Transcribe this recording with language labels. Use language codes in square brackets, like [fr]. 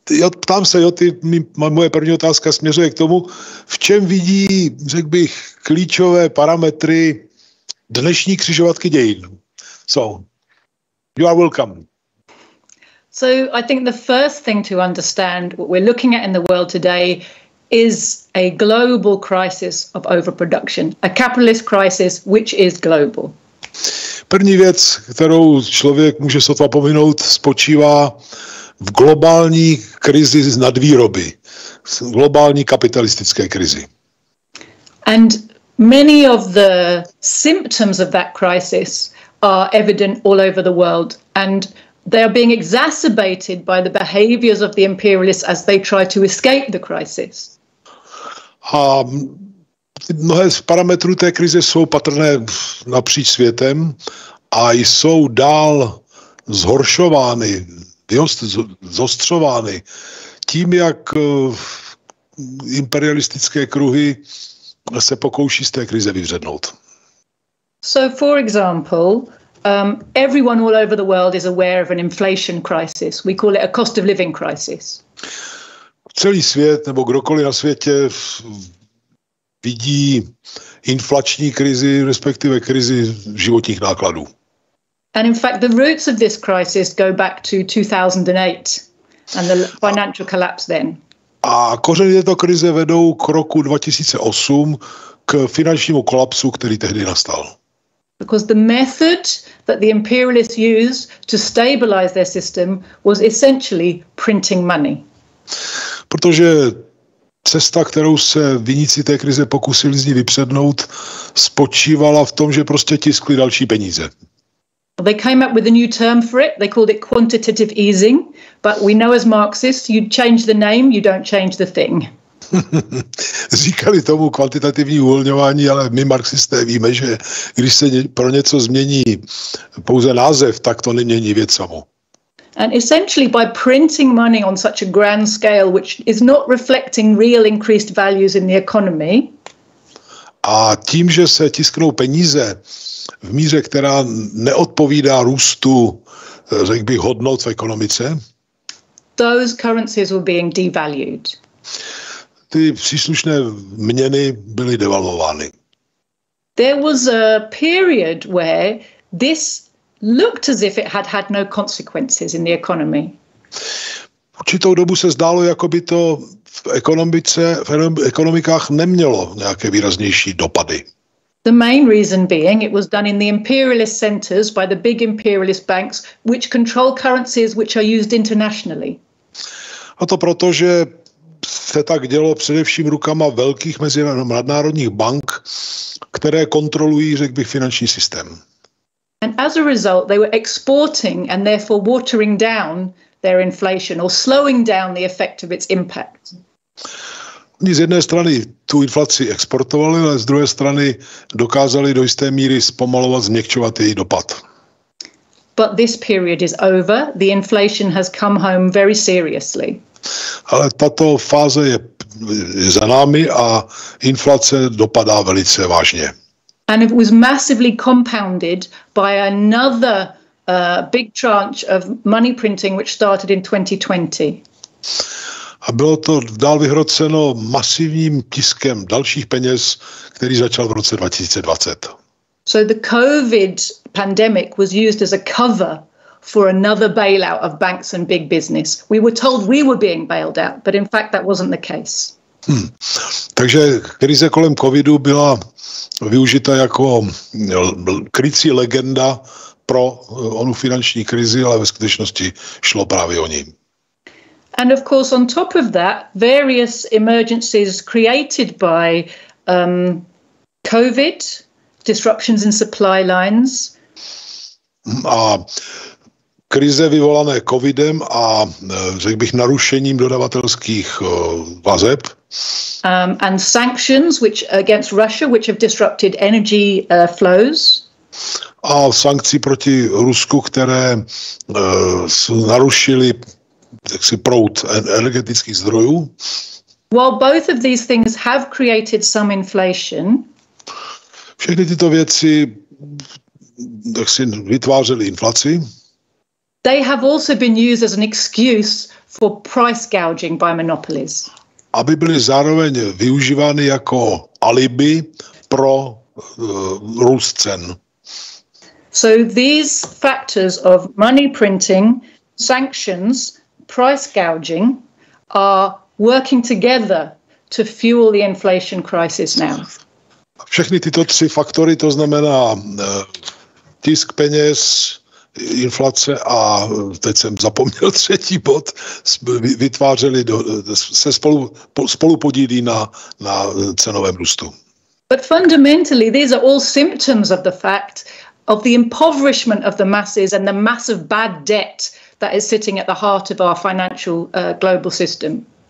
[cs] Ptám se, Joti, moje první otázka směřuje k tomu, v čem vidí, řekl bych, klíčové parametry dnešní křižovatky dějin. [en] So, you are welcome. So, I think the first thing to understand what we're looking at in the world today is a global crisis of overproduction, a capitalist crisis, which is global. [cs] První věc, kterou člověk může sotva pominout, spočívá v globální krizi z nadvýroby, globální kapitalistické krizi. [en] And many of the symptoms of that crisis are evident all over the world, and they are being exacerbated by the behaviors of the imperialists as they try to escape the crisis. [cs] A mnohé z parametrů té krize jsou patrné napříč světem a jsou dál zhoršovány, zostřovány tím, jak imperialistické kruhy se pokouší z té krize vyvřednout. [en] So for example, everyone all over the world is aware of an inflation crisis. We call it a cost of living crisis. [cs] Celý svět nebo kdokoliv na světě vidí inflační krizi, respektive krizi životních nákladů. [en] And in fact, the roots of this crisis go back to 2008 and the financial collapse then. [cs] A kořeny této krize vedou k roku 2008, k finančnímu kolapsu, který tehdy nastal. [en] Because the method that the imperialists used to stabilize their system was essentially printing money. [cs] Protože cesta, kterou se viníci té krize pokusili z ní vypřednout, spočívala v tom, že prostě tiskli další peníze. [en] They came up with a new term for it. They called it quantitative easing. But we know as Marxists, you change the name, you don't change the thing. [cs] Říkali tomu kvantitativní uvolňování, ale my marxisté víme, že když se pro něco změní pouze název, tak to nemění věc samu. [en] And essentially by printing money on such a grand scale, which is not reflecting real increased values in the economy. [cs] A tím, že se tisknou peníze v míře, která neodpovídá růstu, řekl bych, hodnot v ekonomice. [en] Those currencies were being devalued. [cs] Ty příslušné měny byly devalvovány. [en] There was a period where this looked as if it had had no consequences in the economy. [cs] Určitou dobu se zdálo, jako by to v ekonomice, v ekonomikách nemělo nějaké výraznější dopady. [en] The main reason being it was done in the imperialist centers by the big imperialist banks, which control currencies which are used internationally. [cs] A to proto, že se tak dělo především rukama velkých mezinárodních bank, které kontrolují, řekl bych, finanční systém. [en] And as a result, they were exporting and therefore watering down their inflation or slowing down the effect of its impact. [cs] Z jedné strany tu inflaci exportovali, ale z druhé strany dokázali do jisté míry zpomalovat, změkčovat její dopad. [en] But this period is over. The inflation has come home very seriously. [cs] Ale tato fáze je za námi a inflace dopadá velice vážně. [en] And it was massively compounded by another big tranche of money printing which started in 2020. [cs] A bylo to dál vyhroceno masivním tiskem dalších peněz, který začal v roce 2020. [en] So the COVID pandemic was used as a cover for another bailout of banks and big business. We were told we were being bailed out, but in fact that wasn't the case. [cs] Takže krize kolem covidu byla využita jako krycí legenda pro onu finanční krizi, ale ve skutečnosti šlo právě o ní. [en] And of course on top of that, various emergencies created by COVID, disruptions in supply lines. [cs] A krize vyvolané covidem a řekl bych narušením dodavatelských vazeb. [en] And sanctions which against Russia which have disrupted energy flows. [cs] A sankcí proti Rusku, které narušily jaksi proud energetických zdrojů. [en] While both of these things have created some inflation. [cs] Všechny tyto věci jaksi vytvářely inflaci. [en] They have also been used as an excuse for price gouging by monopolies. [cs] Aby byly zároveň využívány jako alibi pro růst cen. [en] So these factors of money printing, sanctions, price gouging are working together to fuel the inflation crisis now. [cs] Všechny tyto tři faktory, to znamená tisk peněz, inflace a teď jsem zapomněl třetí bod, vytvářeli se spolu podílí na cenovém růstu. [en] But fundamentally these are all symptoms of the fact of the impoverishment of the masses and the massive bad debt that is sitting at the heart of our financial global system.